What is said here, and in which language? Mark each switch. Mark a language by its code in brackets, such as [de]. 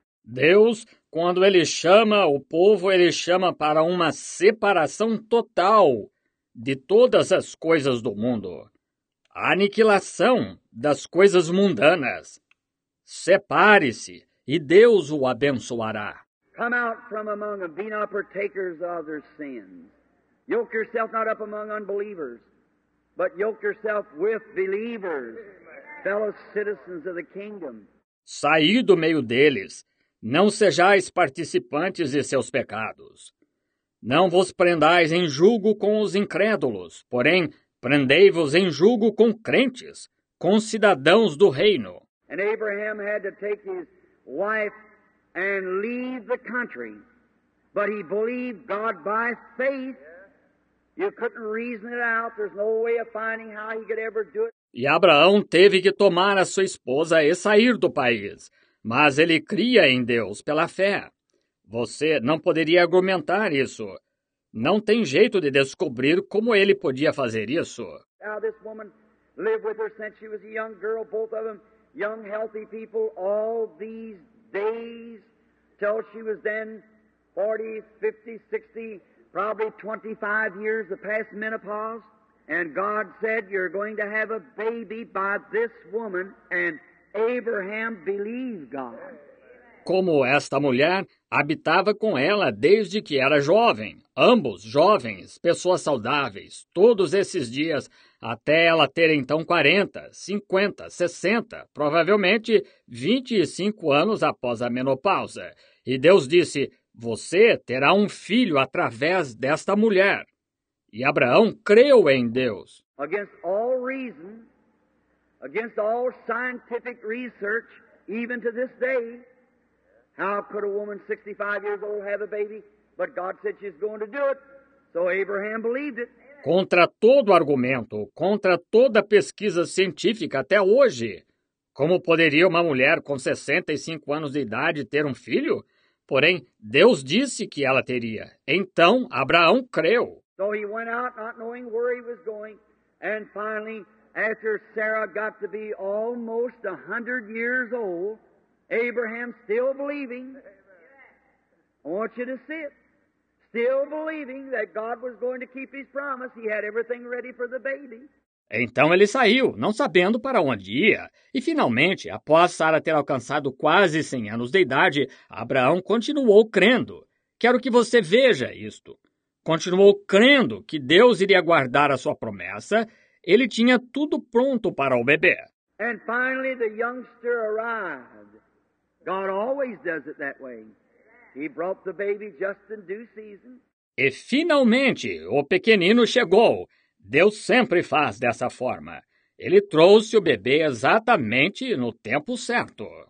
[pt] Deus, quando ele chama o povo, ele chama para uma separação total de todas as coisas do mundo. A aniquilação das coisas mundanas. Separe-se e Deus o abençoará. [en] Come out from among them, be not partakers of their sins. Yoke yourself not up among unbelievers, but yoke yourself with believers, fellow citizens of the kingdom. [pt] Saí do meio deles. Não sejais participantes de seus pecados. Não vos prendais em julgo com os incrédulos, porém, prendei-vos em julgo com crentes, com cidadãos do reino. [en] E Abraham had to take his wife and leave the country, but he believed God by faith. You couldn't reason it out. There's no way of finding how he could ever do it. [pt] E Abraão teve que tomar a sua esposa e sair do país, mas ele cria em Deus pela fé. Você não poderia argumentar isso. Não tem jeito de descobrir como ele podia fazer isso. [en] Now this woman lived with her since she was a young girl, both of them young, healthy people, all these days, till she was then 40, 50, 60, probably 25 years, the past menopause. And God said, you're going to have a baby by this woman, and Abraham believed God. [pt] Como esta mulher habitava com ela desde que era jovem, ambos jovens, pessoas saudáveis, todos esses dias, até ela ter então 40, 50, 60, provavelmente 25 anos após a menopausa. E Deus disse, você terá um filho através desta mulher. E Abraão creu em Deus. [en] Against all reason, against all scientific research, even to this day, how could a woman 65 years old have a baby? But God said she's going to do it. So Abraham believed it. [pt] Contra todo argumento, contra toda pesquisa científica até hoje, como poderia uma mulher com 65 anos de idade ter um filho? Porém, Deus disse que ela teria. Então, Abraão creu. [en] So he went out not knowing where he was going, and finally, after Sarah got to be almost 100 years old, Abraham still believing. I want you to see it. Still believing that God was going to keep his promise. He had everything ready for the baby. [pt] Então ele saiu, não sabendo para onde ia. E finalmente, após Sara ter alcançado quase 100 anos de idade, Abraão continuou crendo. Quero que você veja isto. Continuou crendo que Deus iria guardar a sua promessa. Ele tinha tudo pronto para o bebê. [en] And finally the youngster arrived. God always does it that way. He brought the baby just in due season. [pt] E finalmente, o pequenino chegou. Deus sempre faz dessa forma. Ele trouxe o bebê exatamente no tempo certo.